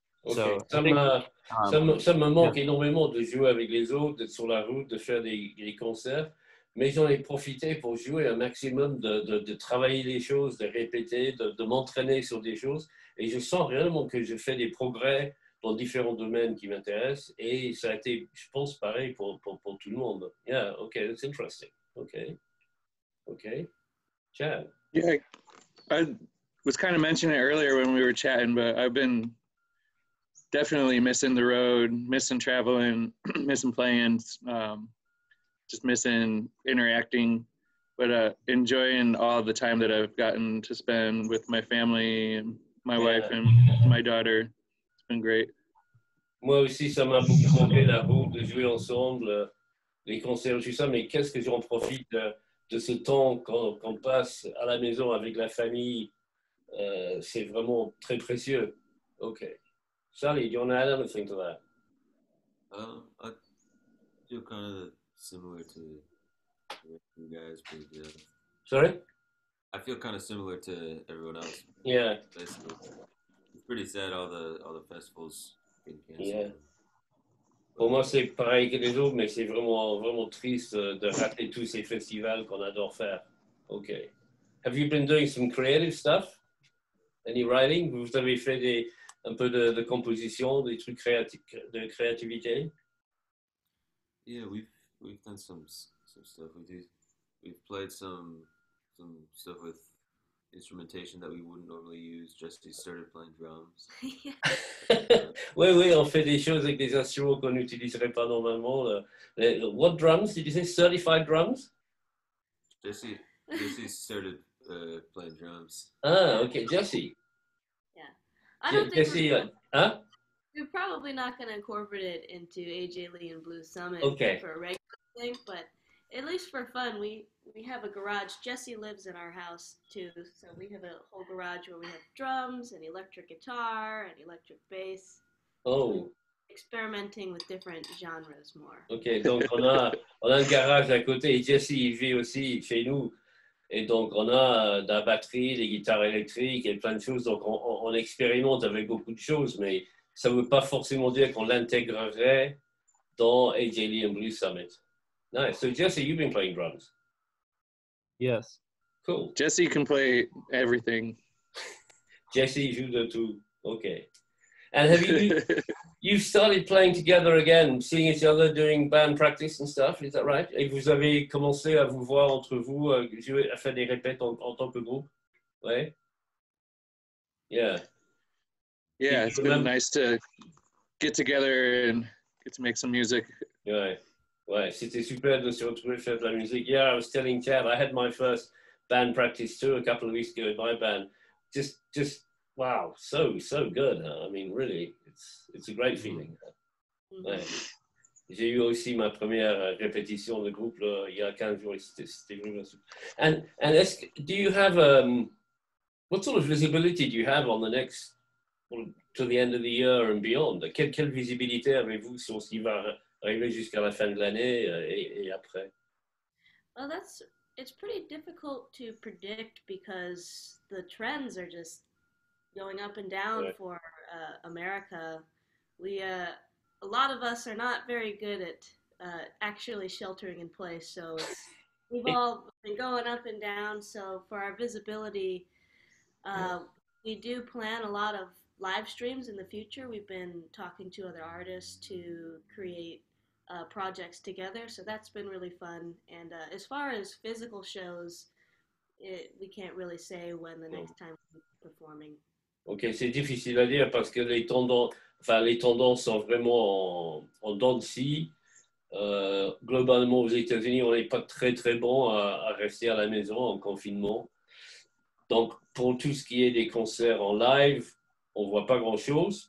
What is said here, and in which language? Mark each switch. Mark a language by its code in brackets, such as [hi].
[fr] Ça me manque énormément de jouer avec les autres, d'être sur la route, de faire des concerts, mais j'en ai profité pour jouer un maximum, de travailler les choses, de répéter, de m'entraîner sur des choses, et je sens réellement que je fais des progrès dans différents domaines qui m'intéressent, et ça a été, je pense, pareil pour tout le monde. [en] Yeah, okay, that's interesting. Okay. Okay. Chad? Yeah, I was kind of mentioning it earlier when we were chatting, but I've been definitely missing the road, missing traveling, missing playing, just missing interacting, but enjoying all the time that I've gotten to spend with my family, my wife, and my daughter. It's been great. [fr] Moi aussi, ça m'a beaucoup manqué la route, de jouer ensemble, les concerts, tout ça, mais qu'est-ce que j'en profite de ce temps qu'on passe à la maison avec la famille? C'est vraiment très précieux. Okay. [en] Sally, do you want to add anything to that? I feel kind of similar to you guys. But yeah. Sorry? I feel kind of similar to everyone else. Yeah. Basically. It's pretty sad all the festivals being canceled. Yeah. [fr] Pour moi, c'est pareil que les autres, mais c'est vraiment triste de rater tous ces festivals qu'on adore faire. [en] Okay. Have you been doing some creative stuff? Any writing? [fr] Vous avez fait des... un peu de composition, des trucs de créativité. [en] Yeah, we've done some stuff. We've played some stuff with instrumentation that we wouldn't normally use. Jesse started playing drums. Yeah. [fr] Oui, on fait des choses avec des instruments qu'on n'utiliserait pas normalement. [en] What drums? Did you say certified drums? Jesse started playing drums. Ah, okay, Jesse. We're probably not going to incorporate it into AJ Lee and Blue Summit for a regular thing, but at least for fun, we have a garage. Jesse lives in our house too, so we have a whole garage where we have drums and electric guitar and electric bass. Oh. Experimenting with different genres more. [fr] Okay, donc on a un garage à côté, et Jesse il vit aussi chez nous. Et donc, on a de la batterie, des guitares électriques et plein de choses. Donc, on expérimente avec beaucoup de choses, mais ça ne veut pas forcément dire qu'on l'intégrerait dans AJ Lee and Blue Summit. Nice. [en] So, Jesse, you've been playing drums? Yes. Cool. Jesse can play everything. Jesse, you do too. Okay. And have you you started playing together again, seeing each other, doing band practice and stuff? Is that right? [fr] Et vous avez commencé à vous voir entre vous, jouer, à faire des répètes en tant que groupe? Oui. Yeah. [en] Yeah, it's been nice to get together and get to make some music. [fr] Yeah, ouais, c'était super de se retrouver faire de la musique. [en] Yeah, I was telling Chad, I had my first band practice too a couple of weeks ago in my band. Just wow, so good. I mean, really, it's a great feeling. Ouais. [fr] J'ai eu aussi ma première répétition de groupe là, il y a 15 jours. C'était vraiment super. [en] And do you have what sort of visibility do you have on the next? To the end of the year and beyond. [fr] Quelle visibilité avez-vous sur ce qui va arriver jusqu'à la fin de l'année et après? [en] Well, it's pretty difficult to predict because the trends are just going up and down for America. A lot of us are not very good at actually sheltering in place, so we've all been going up and down. So for our visibility, we do plan a lot of live streams in the future. We've been talking to other artists to create projects together, so that's been really fun. And as far as physical shows, we can't really say when the next time we'll be performing. [fr] Okay, c'est difficile à dire parce que les tendances sont vraiment en dents de scie. Globalement, aux États-Unis, on n'est pas très très bon à rester à la maison en confinement. Donc, pour tout ce qui est des concerts en live, on voit pas grand chose.